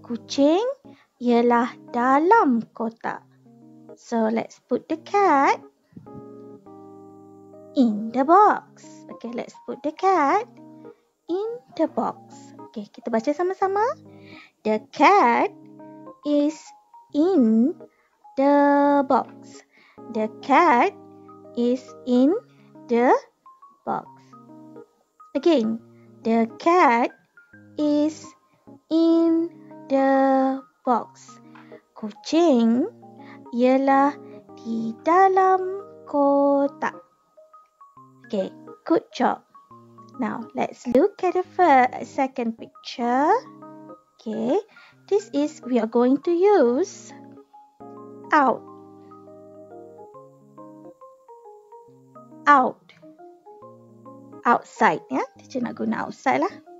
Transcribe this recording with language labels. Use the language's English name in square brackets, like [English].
[Malay] Kucing ialah dalam kotak. [English] So, let's put the cat in the box. Okay, let's put the cat in the box. Okay, [Malay] kita baca sama-sama. [English] The cat is in the box. The cat is in the box. Again, the cat is in the box. [Malay] Kucing ialah di dalam kotak. [English] Okay, good job. Now, let's look at the second picture. Okay, this is we are going to use out. [Malay] Out. Outside, ya. Teacher nak guna outside lah.